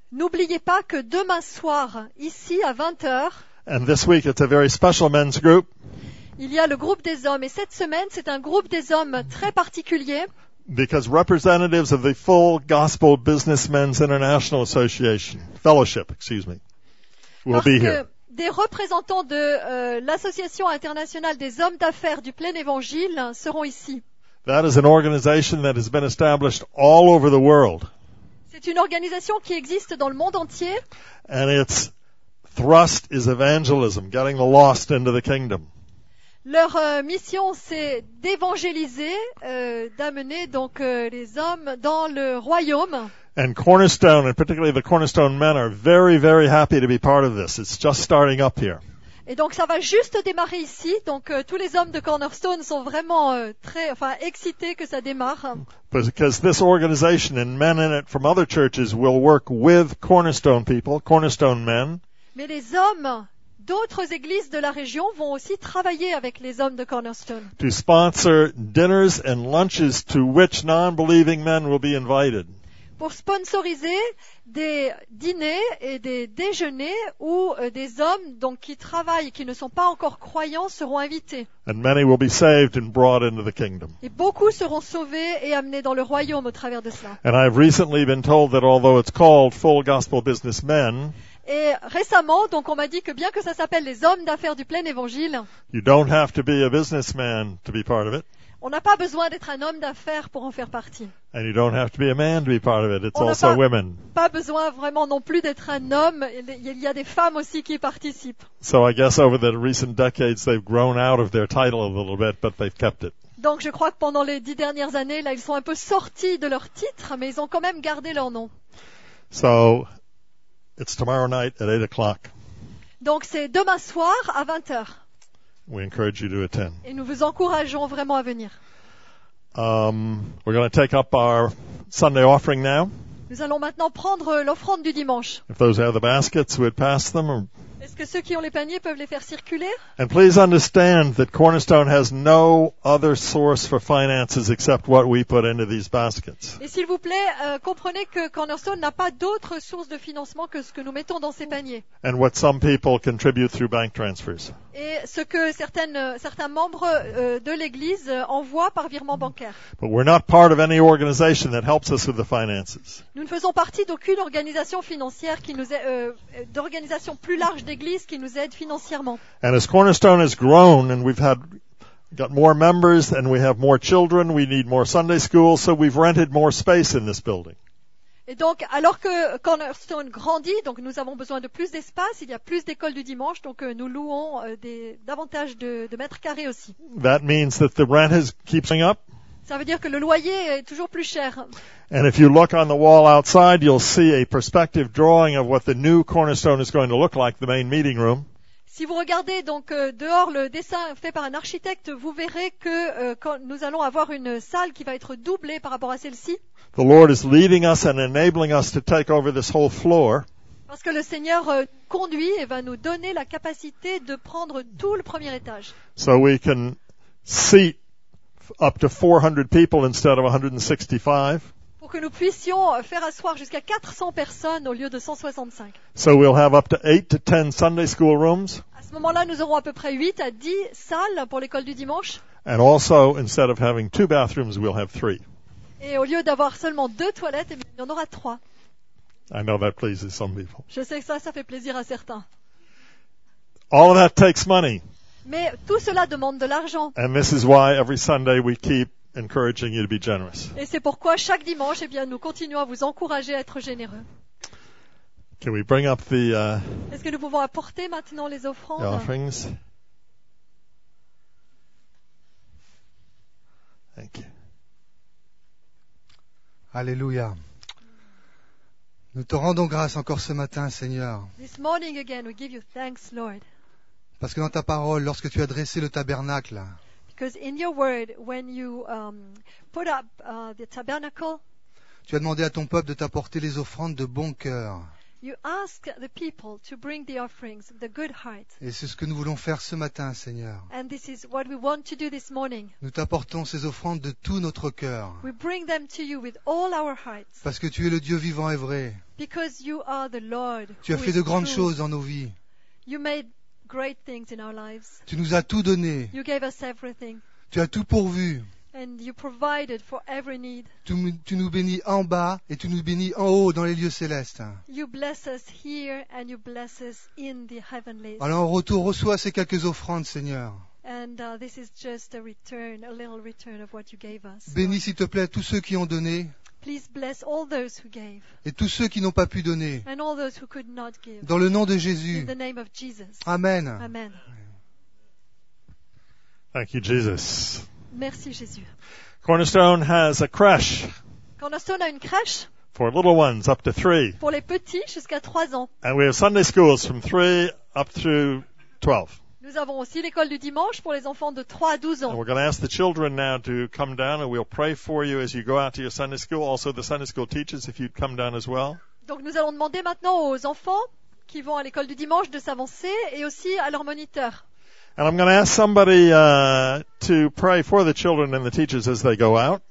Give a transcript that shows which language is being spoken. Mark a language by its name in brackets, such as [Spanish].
[French] N'oubliez pas que demain soir, ici à 20h, [English] and this week it's a very special men's group. [French] Il y a le groupe des hommes, et cette semaine c'est un groupe des hommes très particulier. [English] Because representatives of the full Gospel Businessmen's International Association Fellowship, excuse me, will [French] Parce [English] be here. [French] Des représentants de l'Association internationale des hommes d'affaires du plein évangile seront ici. [English] That is an organization that has been established all over the world. [French] C'est une organisation qui existe dans le monde entier. [English] And its thrust is evangelism, getting the lost into the kingdom. [French] Leur mission, c'est d'évangéliser, d'amener donc les hommes dans le royaume. [English] And Cornerstone, and particularly the Cornerstone men, are very, very happy to be part of this. It's just starting up here. [French] Et donc ça va juste démarrer ici. Donc tous les hommes de Cornerstone sont vraiment très, enfin excités que ça démarre. [English] Because this organization and men in it from other churches will work with Cornerstone people, Cornerstone men. [French] Mais les hommes d'autres églises de la région vont aussi travailler avec les hommes de Cornerstone. [English] To sponsor dinners and lunches to which non-believing men will be invited. [French] Pour sponsoriser des dîners et des déjeuners où des hommes donc qui travaillent qui ne sont pas encore croyants seront invités. [English] And many will be saved and brought into the kingdom. [French] Et beaucoup seront sauvés et amenés dans le royaume au travers de cela. [English] And I've recently been told that although it's called Full Gospel Businessmen, [French] et récemment, donc on m'a dit que bien que ça s'appelle les hommes d'affaires du plein évangile, [English] you don't have to be a businessman to be part of it. [French] On n'a pas besoin d'être un homme d'affaires pour en faire partie. [English] And you don't have to be a man to be part of it. It's also women. [French] On n'a pas besoin vraiment non plus d'être un homme. Il y a des femmes aussi qui participent. [English] So I guess over the recent decades, they've grown out of their title a little bit, but they've kept it. [French] Donc je crois que pendant les 10 dernières années, là, ils sont un peu sortis de leur titre, mais ils ont quand même gardé leur nom. [English] So it's tomorrow night at 8:00. [French] Donc c'est demain soir à 20h. [English] We encourage you to attend. [French] Et nous vous encourageons vraiment à venir. [English] We're going to take up our Sunday offering now. [French] Nous allons maintenant prendre l'offrande du dimanche. [English] If those have the baskets, we'd pass them. [French] Est-ce que ceux qui ont les paniers peuvent les faire circuler? [English] And please understand that Cornerstone has no other source for finances except what we put into these baskets. [French] Et s'il vous plaît, comprenez que Cornerstone n'a pas d'autre source de financement que ce que nous mettons dans ces paniers. [English] And what some people contribute through bank transfers. [French] Et ce que certains membres de l'église envoient par virement bancaire. [English] But we're not part of any organization that helps us with the finances. [French] Nous ne faisons partie d'aucune organisation financière qui nous aide, d'organisation plus large d'église qui nous aide financièrement. [English] And as Cornerstone has grown and we've got more members and we have more children, we need more Sunday school, so we've rented more space in this building. [French] Et donc alors que Cornerstone grandit, donc nous avons besoin de plus d'espace, il y a plus d'écoles du dimanche, donc nous louons davantage de mètres carrés aussi. [English] That means that the rent is keeping up. [French] Ça veut dire que le loyer est toujours plus cher. [English] And if you look on the wall outside, you'll see a perspective drawing of what the new Cornerstone is going to look like, the main meeting room. [French] Si vous regardez donc dehors le dessin fait par un architecte, vous verrez que quand nous allons avoir une salle qui va être doublée par rapport à celle-ci. [English] The Lord is leading us and enabling us to take over this whole floor. [French] Parce que le Seigneur conduit et va nous donner la capacité de prendre tout le premier étage. [English] So we can see up to 400 people instead of 165. [French] Pour que nous puissions faire asseoir jusqu'à 400 personnes au lieu de 165. [English] So we'll have up to 8 to 10 Sunday school rooms. [French] À ce moment-là, nous aurons à peu près 8 à 10 salles pour l'école du dimanche. [English] And also, instead of having 2 bathrooms, we'll have 3. [French] Et au lieu d'avoir seulement 2 toilettes, il y en aura 3. [English] I know that pleases some people. [French] Je sais que ça fait plaisir à certains. [English] All of that takes money. [French] Mais tout cela demande de l'argent. [English] And this is why every Sunday we keep encouraging you to be generous. [French] Et c'est pourquoi chaque dimanche, eh bien, nous continuons à vous encourager à être généreux. [English] Can we bring up the, [French] est-ce que nous pouvons apporter maintenant les offrandes? [English] The offerings. Thank you. [French] Alléluia. Nous te rendons grâce encore ce matin, Seigneur. [English] This morning again, we give you thanks, Lord. [French] Parce que dans ta parole, lorsque tu as dressé le tabernacle, tu as demandé à ton peuple de t'apporter les offrandes de bon cœur. [English] You ask the people to bring the offerings, the good heart. [French] Et c'est ce que nous voulons faire ce matin, Seigneur. [English] And this is what we want to do this morning. [French] Nous t'apportons ces offrandes de tout notre cœur. [English] We bring them to you with all our hearts. [French] Parce que tu es le Dieu vivant et vrai. [English] Because you are the Lord. [French] Tu as fait de grandes choses dans nos vies. [English] You made great things in our lives. [French] Tu nous as tout donné. [English] You gave us everything. [French] Tu as tout pourvu. [English] And you provided for every need. [French] Tu nous bénis en bas et tu nous bénis en haut dans les lieux célestes. [English] You bless us here and you bless us in the heavenlies. [French] Alors en retour, reçois ces quelques offrandes, Seigneur. [English] And this is just a return, a little return of what you gave us. [French] Bénis s'il te plaît tous ceux qui ont donné. [English] Please bless all those who gave. [French] Et tous ceux qui n'ont pas pu donner. [English] And all those who could not give. [French] Dans le nom de Jésus. [English] In the name of Jesus. Amen. Amen. Thank you, Jesus. [French] Merci Jésus. [English] Cornerstone has a crèche. [French] Cornerstone a une crèche. [English] For little ones up to 3. [French] Pour les petits jusqu'à 3 ans. [English] And we have Sunday schools from 3 up to 12. [French] Nous avons aussi l'école du dimanche pour les enfants de 3 à 12 ans. [English] And we're going to ask the children now to come down and we'll pray for you as you go out to your Sunday school. Also the Sunday school teachers if you'd come down as well. [French] Donc nous allons demander maintenant aux enfants qui vont à l'école du dimanche de s'avancer et aussi à leurs moniteurs. [English] And I'm going to ask somebody to pray for the children and the teachers as they go out.